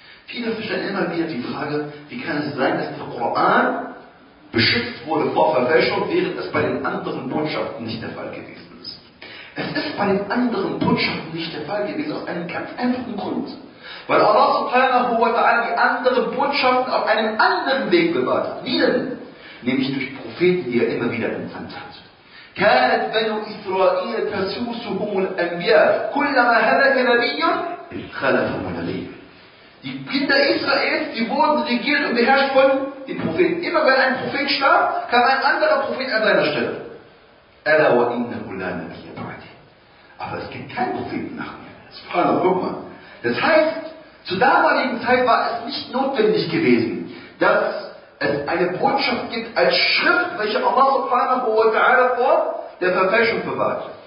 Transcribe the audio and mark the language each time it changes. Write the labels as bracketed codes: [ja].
[de] Viele stellen immer wieder die Frage, wie kann es sein, dass der Koran beschützt wurde vor Verfälschung, während es bei den anderen Botschaften nicht der Fall gewesen ist. Es ist bei den anderen Botschaften nicht der Fall gewesen, aus einem ganz einfachen Grund. Weil Allah subhanahu wa ta'ala die anderen Botschaften auf einem anderen Weg bewahrt hat. Wie denn? Nämlich durch Propheten, die er immer wieder entsandt hat. [ar] كانت بنو إسرائيل تسوسهم الأنبياء كلما هلك نبي خلفهم نبي. [de] Die Kinder Israels, die wurden regiert und beherrscht von den Propheten. Immer wenn ein Prophet starb, kam ein anderer Prophet an seiner Stelle. [ar] Ella wa innahu la nabiyya ba'di. [de] Aber es gibt keinen Propheten nach mir. Subhanallah, guck mal. Das heißt, zur damaligen Zeit war es nicht notwendig gewesen, dass es eine Botschaft gibt als Schrift, welche Allah subhanahu wa ta'ala vor der Verfälschung bewahrt.